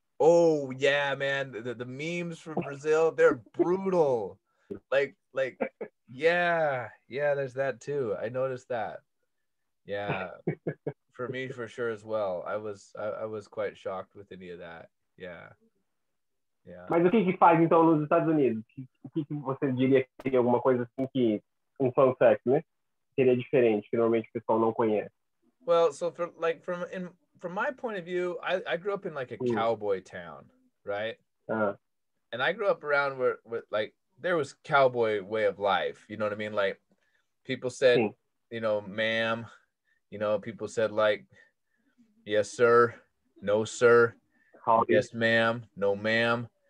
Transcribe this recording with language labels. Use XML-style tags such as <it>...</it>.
<en>Oh yeah, man. The memes from Brazil, they're brutal. Like, yeah, there's that too. I noticed that. Yeah. For me for sure as well. I was quite shocked with any of that. Yeah. Yeah.</en> <pt>Mas o que faz então nos Estados Unidos? O que você diria que seria alguma coisa assim que um fun fact, né? Seria diferente, que normalmente o pessoal não conhece.</pt> <en>Well, so from my point of view, I grew up in like a cowboy town, right? Uh-huh. And I grew up around where like there was cowboy way of life, you know what I mean? Like people said, you know, ma'am, you know, people said like yes sir, no sir. Yes, ma'am. No, ma'am.</en>